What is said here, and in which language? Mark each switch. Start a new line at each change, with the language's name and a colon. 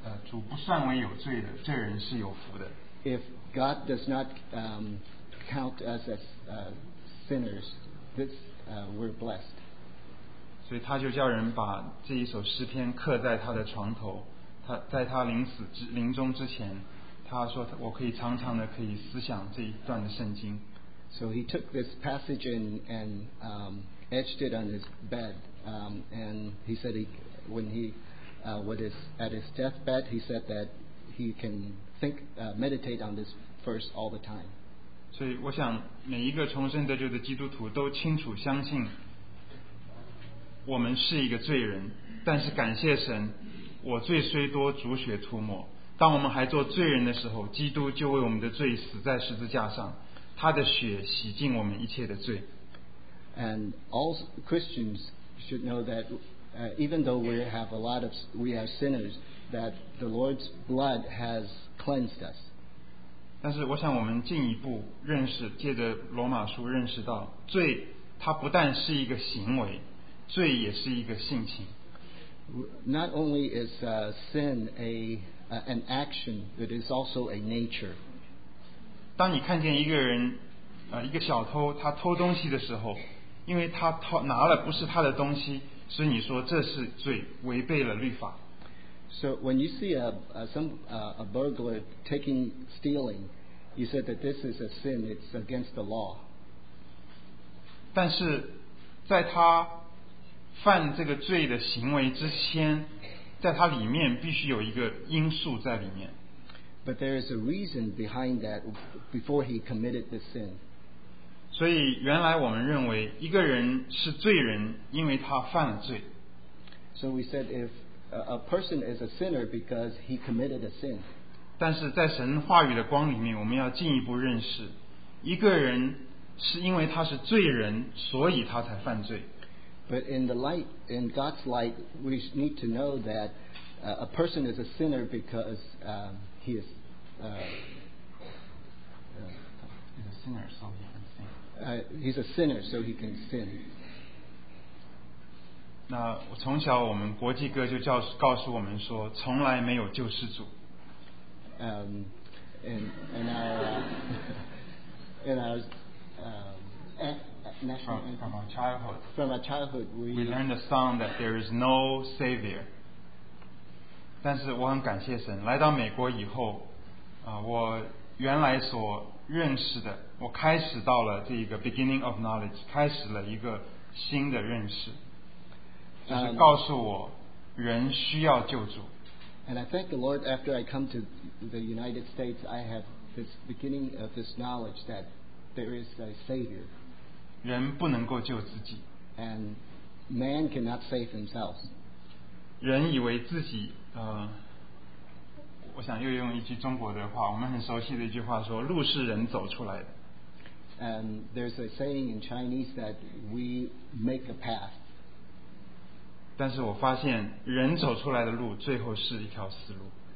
Chinese: 主不算为有罪的这人是有福的。
English: If God does not count us as sinners, this we're blessed.
Chinese: 所以他就叫人把这一首诗篇刻在他的床头，他在他临终之前，他说我可以常常的可以思想这一段的圣经。
English: So he took this passage in and etched it on his bed and he said when he was at his deathbed, he said that he can think meditate on this verse all the time.
Chinese: 所以我想每一个重生得救的基督徒都清楚相信我们是一个罪人，但是感谢神，我罪虽多，主血涂抹。当我们还做罪人的时候，基督就为我们的罪死在十字架上，他的血洗净我们一切的罪。
English: And all Christians should know that even though we have a lot of we are sinners, that the Lord's blood has cleansed us.
Chinese: 但是我想我们进一步认识，借着罗马书认识到，罪它不但是一个行为，罪也是一个性情。
English: Not only is sin an action, it is also a nature.
Chinese: 当你看见一个人，一个小偷，他偷东西的时候，因为他偷拿了不是他的东西，所以你说这是罪，违背了律法。
English: So when you see a burglar taking stealing, you said that this is a sin. It's against the law.
Chinese: 但是在他犯这个罪的行为之前，在他里面必须有一个因素在里面。
English: But there is a reason behind that before he committed the sin.
Chinese: 所以原来我们认为一个人是罪人，因为他犯了罪。
English: So we said if a person is a sinner because he committed a sin.
Chinese: 但是在神话语的光里面，我们要进一步认识，一个人是因为他是罪人，所以他才犯罪。
English: But in the light, in God's light, we need to know that a person is a sinner because he is a sinner, so he can sin. He's a sinner, so he can sin.
Chinese: 那从小我们国际歌就告诉我们说，从来没有救世主。
English: From our childhood, we learned the song that there is no savior.
Chinese: 但是我很感谢神，来到美国以后，我原来所认识的，我开始到了这一个
English: beginning of knowledge，
Chinese: 开始了一个新的认识，就是告诉我人需要救主。
English: And I thank the Lord after I come to the United States, I have this beginning of this knowledge that there is a savior.
Chinese: 人不能够救自己。
English: And man cannot save himself.
Chinese: 人以为自己，我想又用一句中国的话，我们很熟悉的一句话说，路是人走出来的。
English: And there's a saying in Chinese that we make a path.
Chinese: 但是我发现，人走出来的路最后是一条死路。